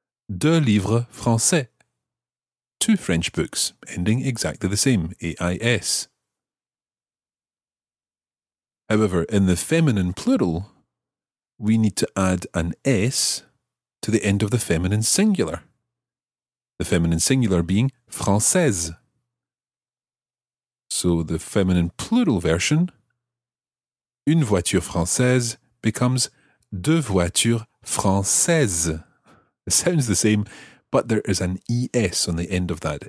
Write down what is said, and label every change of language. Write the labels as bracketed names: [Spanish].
[French] Deux livres français, [English] two French books, ending exactly the same, A-I-S. However, in the feminine plural, we need to add an S to the end of the feminine singular. The feminine singular being française. So the feminine plural version, [French] une voiture française, [English] becomes [French] deux voitures françaises. [English] It sounds the same, but there is an ES on the end of that.